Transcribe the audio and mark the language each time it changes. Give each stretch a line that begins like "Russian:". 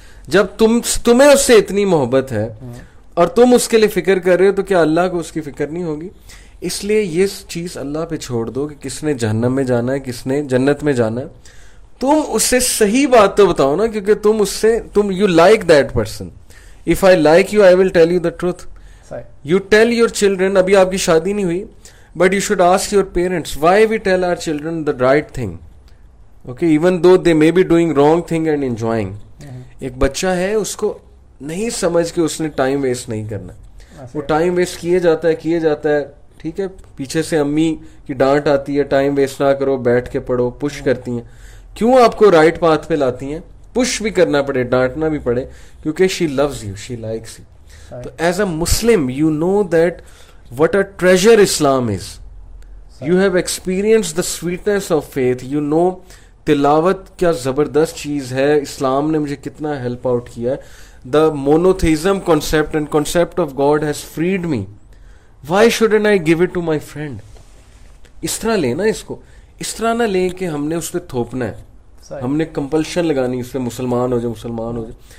Urdu: جب تمہیں اس سے اتنی محبت ہے اور تم اس کے لیے فکر کر رہے ہو, تو کیا اللہ کو اس کی فکر نہیں ہوگی؟ اس لیے یہ چیز اللہ پہ چھوڑ دو کہ کس نے جہنم میں جانا ہے, کس نے جنت میں جانا ہے. تم اسے صحیح بات تو بتاؤ نا, کیونکہ تم اس سے, تم you like that person.
English: If I like you I will tell you the truth. You tell your children, ابھی آپ کی شادی نہیں ہوئی, but you should ask your parents why we tell our children the right thing. Okay, even though they may be doing wrong thing and enjoying.
Urdu: ایک بچہ ہے, اس کو نہیں سمجھ کے اس نے ٹائم ویسٹ نہیں کرنا. وہ ٹائم ویسٹ کیے جاتا ہے. ٹھیک ہے, پیچھے سے امی کی ڈانٹ آتی ہے, ٹائم ویسٹ نہ کرو, بیٹھ کے پڑھو, پش کرتی ہیں. کیوں آپ کو رائٹ پاتھ پہ لاتی ہیں؟ پش بھی کرنا پڑے, ڈانٹنا بھی پڑے, کیونکہ شی loves you, she likes you.
English: تو is a Muslim you know that what a treasure Islam is. You have experience the sweetness of faith.
Urdu: You know تلاوت کیا زبردست چیز ہے, اسلام نے مجھے کتنا ہیلپ آؤٹ کیا ہے.
English: The monotheism concept and concept of God has freed me.
Urdu: Y shouldn't I give it to my friend? اس طرح لیں نا اس کو, اس طرح نہ لیں کہ ہم نے اس پہ تھوپنا ہے, ہم نے کمپلشن لگانی اس پہ مسلمان ہو جائے, مسلمان ہو جائے.